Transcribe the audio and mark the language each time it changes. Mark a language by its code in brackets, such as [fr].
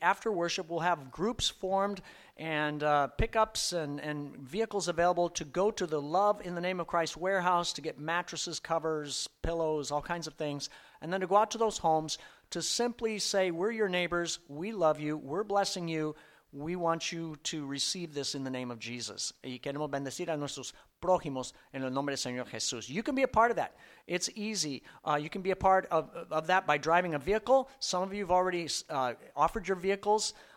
[en] After worship, we'll have groups formed and pickups and vehicles available to go to the Love in the Name of Christ warehouse to get mattresses, covers, pillows, all kinds of things, and then to go out to those homes to simply say, we're your neighbors, we love you, we're blessing you, we want you to receive this in the name of Jesus. [es] Y queremos bendecir a nuestros prójimos en el nombre del Señor Jesús. [en] You can be a part of that. It's easy. You can be a part of that by driving a vehicle. Some of you have already offered your vehicles.